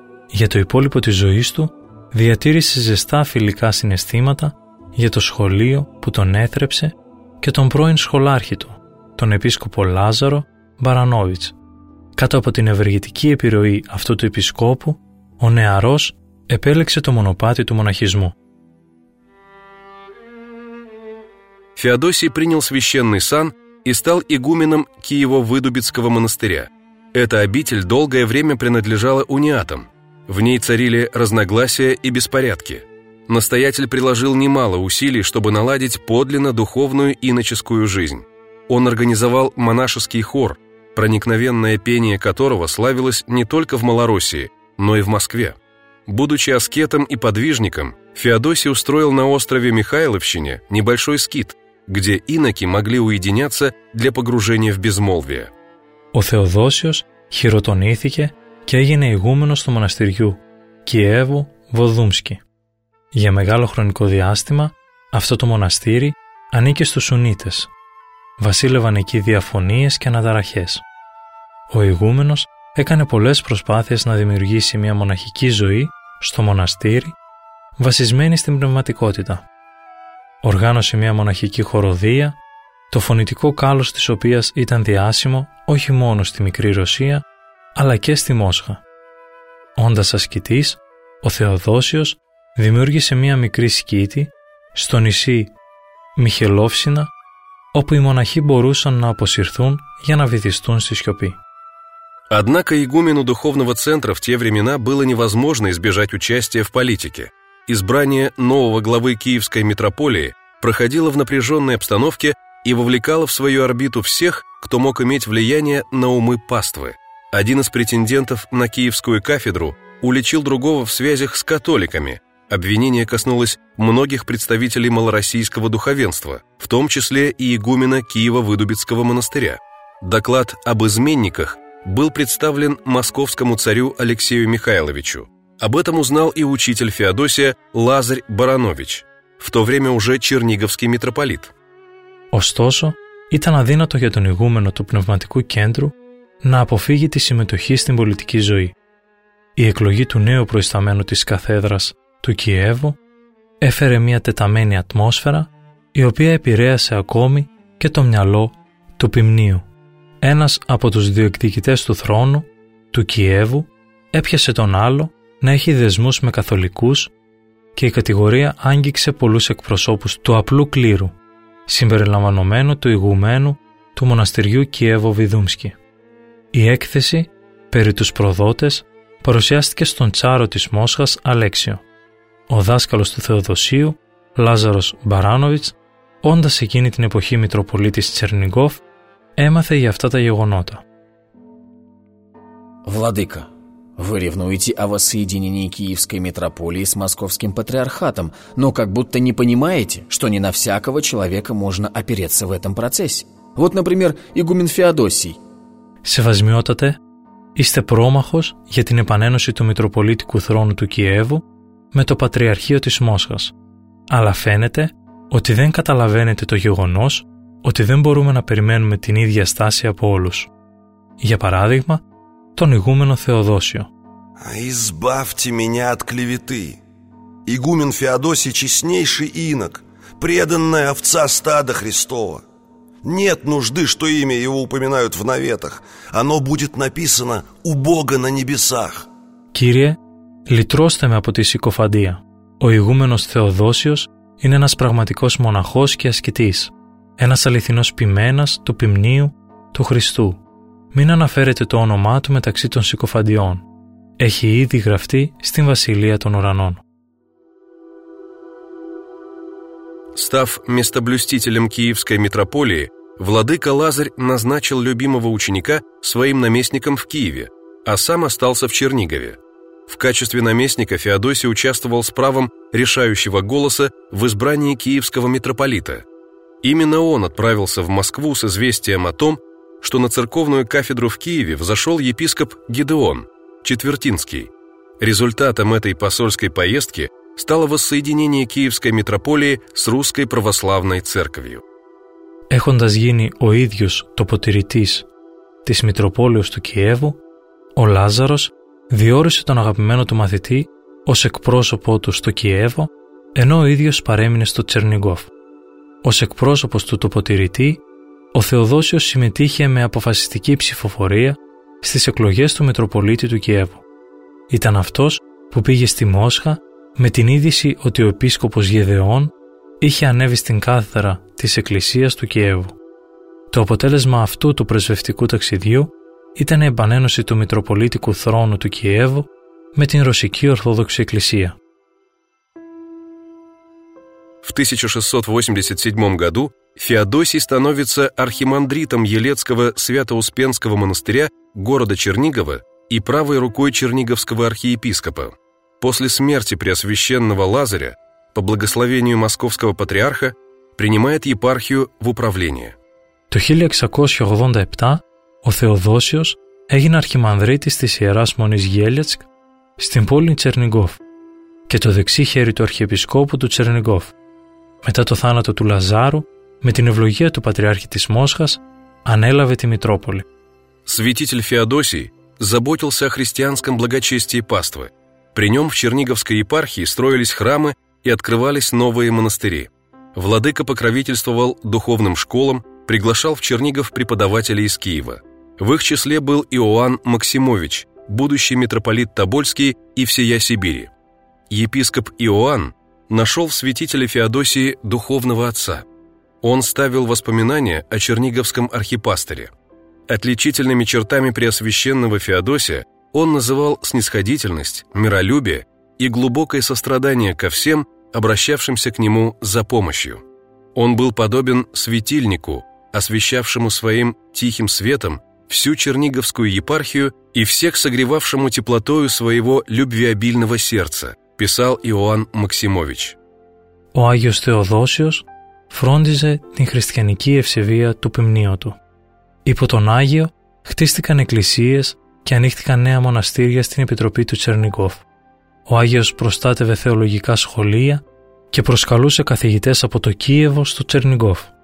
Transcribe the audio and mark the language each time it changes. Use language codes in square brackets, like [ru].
[el] Για το υπόλοιπο της ζωής του διατήρησε ζεστά φιλικά συναισθήματα για το σχολείο που τον έθρεψε και τον πρώην σχολάρχη του, τον επίσκοπο Λάζαρο Μπαρανόβιτς. Κάτω από την ευεργετική επιρροή αυτού του επισκόπου, ο νεαρός επέλεξε το μονοπάτι του μοναχισμού. [ru] Феодосий принял священный сан и стал игуменом Киево-Выдубицкого монастыря. Эта обитель долгое время принадлежала униатам. В ней царили разногласия и беспорядки. Настоятель приложил немало усилий, чтобы наладить подлинно духовную иноческую жизнь. Он организовал монашеский хор, проникновенное пение которого славилось не только в Малороссии, но и в Москве. Будучи аскетом и подвижником, Феодосий устроил на острове Михайловщине небольшой скит, где иноки могли уединяться для погружения в безмолвие. [el] Ο Θεοδόσιος χειροτονήθηκε και έγινε ηγούμενος του μοναστηριού Κιέβου Βοδούμσκι. Για μεγάλο χρονικό διάστημα, αυτό το μοναστήρι ανήκε στους Ουνίτες. Βασίλευαν εκεί διαφωνίες και αναταραχές. Ο ηγούμενος έκανε πολλές προσπάθειες να δημιουργήσει μια μοναχική ζωή στο μοναστήρι βασισμένη στην πνευματικότητα. Οργάνωσε μια μοναχική χοροδία, το φωνητικό κάλος της οποίας ήταν διάσημο όχι μόνο στη Μικρή Ρωσία, αλλά και στη Μόσχα. Όντας ασκητής, ο Θεοδόσιος δημιούργησε μια μικρή σκήτη στο νησί Μιχελόφσινα, όπου οι μοναχοί μπορούσαν να αποσυρθούν για να βυθιστούν στη σιωπή. [ru] Однако игумену духовного центра в те времена было невозможно избежать участия в политике. Избрание нового главы Киевской митрополии проходило в напряженной обстановке и вовлекало в свою орбиту всех, кто мог иметь влияние на умы паствы. один из претендентов на киевскую кафедру уличил другого в связях с католиками. Обвинение коснулось многих представителей малороссийского духовенства, в том числе и игумена Киево-Выдубицкого монастыря. Доклад об изменниках был представлен московскому царю Алексею Михайловичу. Об этом узнал и учитель Феодосия Лазарь Баранович, в то время уже черниговский митрополит. [el] Ωστόσο, ήταν αδύνατο για τον ηγούμενο του πνευματικού κέντρου να αποφύγει τη συμμετοχή στην πολιτική ζωή. Η εκλογή του νέου προϊσταμένου της καθέδρας του Κιέβου έφερε μια τεταμένη ατμόσφαιρα, η οποία επηρέασε ακόμη και το μυαλό του Πυμνίου. Ένας από τους διεκδικητές του θρόνου, του Κιέβου, έπιασε τον άλλο να έχει δεσμούς με καθολικούς και η κατηγορία άγγιξε πολλούς εκπροσώπους του απλού κλήρου, συμπεριλαμβανομένου του ηγουμένου του μοναστηριού Κιέβο-Βιδούμσκι. Η έκθεση περί τους προδότες παρουσιάστηκε στον τσάρο της Μόσχας Αλέξιο. Ο δάσκαλος του Θεοδοσίου, Λάζαρος Μπαράνοβιτς, όντας εκείνη την εποχή Μητροπολίτης Τσερνιγκόφ, έμαθε για αυτά τα γεγονότα. [ru] Владыка, вы ревнуете о воссоединении Киевской митрополии с Московским патриархатом, но как будто не понимаете, что не на всякого человека можно опереться в этом процессе. Вот, например, игумен Феодосий. [el] Σεβασμιότατε, είστε πρόμαχος για την επανένωση του Μητροπολίτικου θρόνου του Κιέβου με το Πατριαρχείο της Μόσχας. Αλλά φαίνεται ότι δεν καταλαβαίνετε το γεγονός ότι δεν μπορούμε να περιμένουμε την ίδια στάση από όλους. Για παράδειγμα, τον ηγούμενο Θεοδόσιο. [ru] Избавьте меня от клеветы. Игумен Феодосий честнейший инок, преданная овца стада Христова. Нет нужды, что имя его упоминают в наветах. Оно будет написано у Бога на небесах. [el] Κύριε, λυτρώστε με από τη συκοφαντία. Ο ηγούμενος Θεοδόσιος είναι ένας πραγματικός μοναχός και ασκητής. Ένας αληθινός ποιμένας του ποιμνίου του Χριστού. Μην αναφέρετε το όνομά του μεταξύ των συκοφαντιών. Έχει ήδη γραφτεί στην Βασιλεία των Ουρανών. [ru] Став местоблюстителем Киевской митрополии, владыка Лазарь назначил любимого ученика своим наместником в Киеве, а сам остался в Чернигове. В качестве наместника Феодосий участвовал с правом решающего голоса в избрании киевского митрополита. Именно он отправился в Москву с известием о том, что на церковную кафедру в Киеве взошел епископ Гедеон, Четвертинский. Результатом этой посольской поездки стало воссоединение Киевской митрополии с Русской Православной Церковью. [el] Έχοντας γίνει ο ίδιος τοποτηρητής της Μητροπόλεως του Κιέβου, ο Λάζαρος διόρισε τον αγαπημένο του μαθητή ως εκπρόσωπό του στο Κιέβο, ενώ ο ίδιος παρέμεινε στο Τσερνιγκόφ. Ως εκπρόσωπος του τοποτηρητή, ο Θεοδόσιος συμμετείχε με αποφασιστική ψηφοφορία στις εκλογές του Μητροπολίτη του Κιέβου. Ήταν αυτός που πήγε στη Μόσχα με την είδηση ότι ο επίσκοπος Γεδεών είχε ανέβει στην κάθεδρα της Εκκλησίας του Κιέβου. Το αποτέλεσμα αυτού του πρεσβευτικού ταξιδιού ήταν η επανένωση του Μητροπολίτικου θρόνου του Κιέβου με την Ρωσική Ορθόδοξη Εκκλησία. [ru] В 1687 году Феодосий становится архимандритом Елецкого Свято-Успенского монастыря города Чернигова и правой рукой черниговского архиепископа. После смерти Преосвященного Лазаря, по благословению московского патриарха, принимает епархию в управление. [el] Το 1687 ο Θεοδόσιος έγινε αρχιμανδρίτης της Ιεράς Μονής Γέλιατσκ στην πόλη Τσερνιγκόφ και το δεξί χέρι του αρχιεπισκόπου του Τσερνιγκόφ. Μετά το θάνατο του Λαζάρου, με την ευλογία του Πατριάρχη της Μόσχας, ανέλαβε τη Μητρόπολη. [ru] Святитель Феодосий заботился о христианском благочестии паствы. При нем в Черниговской епархии строились храмы и открывались новые монастыри. Владыка покровительствовал духовным школам, приглашал в Чернигов преподавателей из Киева. В их числе был Иоанн Максимович, будущий митрополит Тобольский и всея Сибири. Епископ Иоанн нашел в святителе Феодосии духовного отца. Он ставил воспоминания о черниговском архипастыре. Отличительными чертами преосвященного Феодосия он называл снисходительность, миролюбие и глубокое сострадание ко всем, обращавшимся к нему за помощью. Он был подобен светильнику, освещавшему своим тихим светом всю Черниговскую епархию и всех согревавшему теплотою своего любвеобильного сердца, писал Иоанн Максимович. [el] Ο Άγιος Θεοδόσιος φρόντιζε την χριστιανική ευσεβία του ποιμνίου του. Υπό τον Άγιο χτίστηκαν εκκλησίες και ανοίχτηκαν νέα μοναστήρια στην Επιτροπή του Τσερνικόφ. Ο Άγιος προστάτευε θεολογικά σχολεία και προσκαλούσε καθηγητές από το Κίεβο στο Τσερνικόφ.